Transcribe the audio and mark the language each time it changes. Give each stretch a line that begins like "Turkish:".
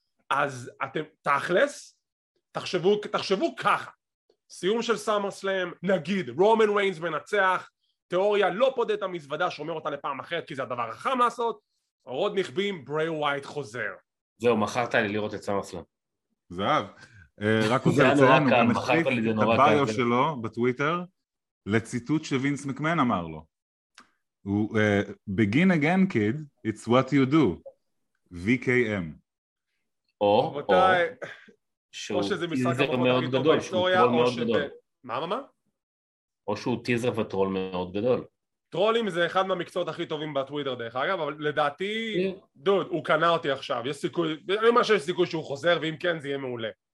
Hebrew: אז אתם, תכלס, תחשבו ככה, סיום של סאמר סלאם, נגיד, רומן ויינס מנצח, תיאוריה לא פודה את המזוודה, שומר אותה לפעם אחרת, כי זה הדבר החם לעשות, עוד נכבים, ברי ווייט חוזר. זהו, מכרת לי לראות את סאמר סלאם. זהב. רק עוד לציין, הוא מחליף את הביו שלו בטוויטר לציטוט שווינס מקמהון אמר לו. הוא,
English: begin again kid, it's what you do, VKM.
Hebrew: או שזה טיזר מאוד גדול, שהוא טרול מאוד גדול. מה? או שהוא טיזר וטרול מאוד גדול. טרולים זה אחד מהמקצועות הכי טובים בטוויטר דרך אגב, אבל לדעתי, דוד, הוא קנה אותי עכשיו, יש סיכוי, אני אומר שיש סיכוי שהוא חוזר, ואם כן זה יהיה מעולה.